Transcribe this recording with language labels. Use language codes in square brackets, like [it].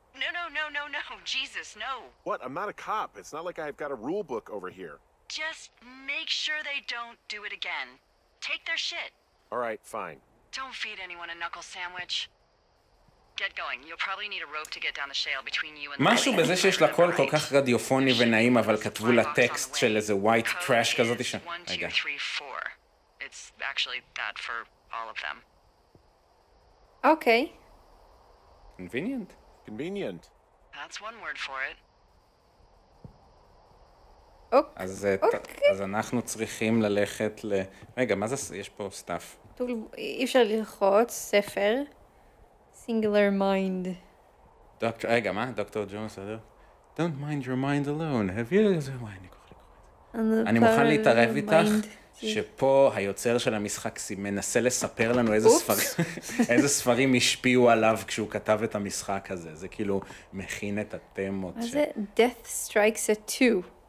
[en] No. Jesus, no. What? I'm not a cop. It's not like I've got a rule book over here. Just make sure they don't do it again. Take their shit. All right, fine. Don't feed anyone a knuckle sandwich. Get going. You'll probably need a rope to get down the shale between you and the... [he] משהו בזה שיש לה קול כל כך רדיופוני ונעים, אבל כתבו לה טקסט של איזה white trash כזאת ש... רגע. [en] It's actually bad for all of them. Okay. Convenient. Convenient. That's one word for it. [he] אז אנחנו צריכים ללכת ל... רגע, מה זה? יש פה סטאף. טוב, אי אפשר ללחוץ, ספר. [en] Singular mind. [he] דוקטור, רגע, מה? [en] דוקטור ג'ונס, don't mind your mind alone. Have you... [he] וואי, אני כוח לקרוא את זה. אני מוכן להתערב איתך שפה היוצר של המשחק מנסה לספר לנו איזה ספרים השפיעו עליו כשהוא כתב את המשחק הזה. זה כאילו מכין את התמות של... מה זה? Death Strikes a Two.